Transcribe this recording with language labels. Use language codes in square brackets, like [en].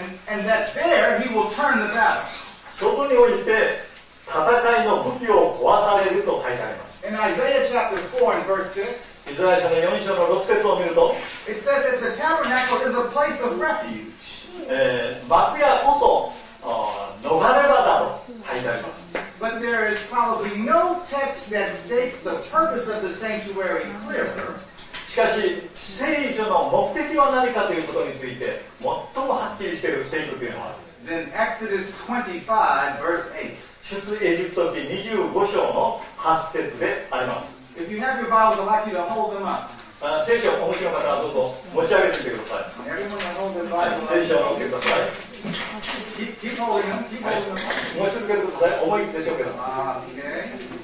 [en] and that there he will turn the battle. [ja] そこにおいて戦いの武器を壊されると書いてあります。 [en] In Isaiah chapter 4 and verse 6, [ja] イザヤ書の4章の6節を見ると [en] It says that the tabernacle is a place of refuge. [ja] 幕屋こそ逃れ場だと書いてあります。 [en] But there is probably no text that states the purpose of the sanctuary clearer. [ja] しかし聖所の目的は何かということについて最もはっきりしている聖句というのは [en] Then Exodus 25 verse 8 [ja] 出エジプト記25章の8節であります。 [en] If you have your Bible, I'd like you to hold them up. [ja] 聖書をお持ちの方はどうぞ持ち上げてみてください。 [en] Everyone hold their Bible. [ja] 聖書を持ってください。 [en] Keep holding them. Keep holding them. [ja] もう一つ受けることで重いでしょうけど。